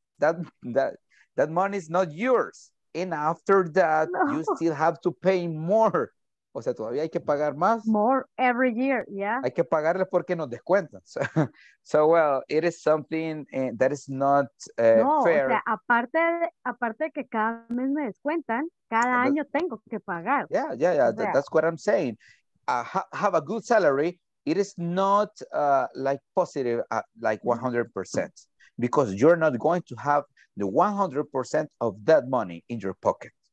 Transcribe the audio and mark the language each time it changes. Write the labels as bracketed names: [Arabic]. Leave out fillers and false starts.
[English] That money is not yours. And after that, no. You still have to pay more. [Spanish] O sea, todavía hay que pagar más. [English] More every year, yeah. [Spanish] Hay que pagarle porque nos descuentan. [English] So well, it is something that is not fair. [Spanish] No, o sea, aparte de que cada mes me descuentan, cada año tengo que pagar. [English] Yeah. O sea, that's what I'm saying. Have a good salary. It is not like positive, like 100%, because you're not going to have the 100% of that money in your pocket.